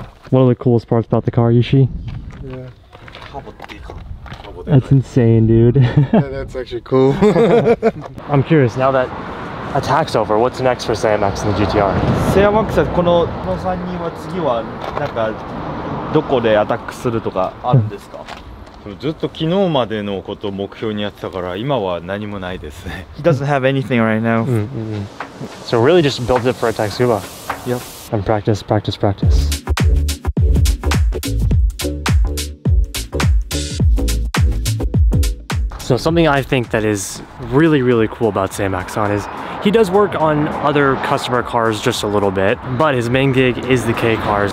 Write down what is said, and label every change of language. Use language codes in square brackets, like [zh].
[en] One of the coolest parts about the car, Yushi. That's insane, dude. Yeah, that's actually cool. I'm curious, now that attack's over, what's next for Seyamax and the GTR? [ja] Seyamax, この3人は次は何かどこでアタックするとかあるんですか?ずっと昨日までのことを目標にやってたから今は何もないですね。 [en] He doesn't have anything right now. So really just built it for attack Tsukuba. Yep. And practice, practice, practice. So something I think that is really, really cool about Seyamax San is he does work on other customer cars just a little bit, but his main gig is the K cars.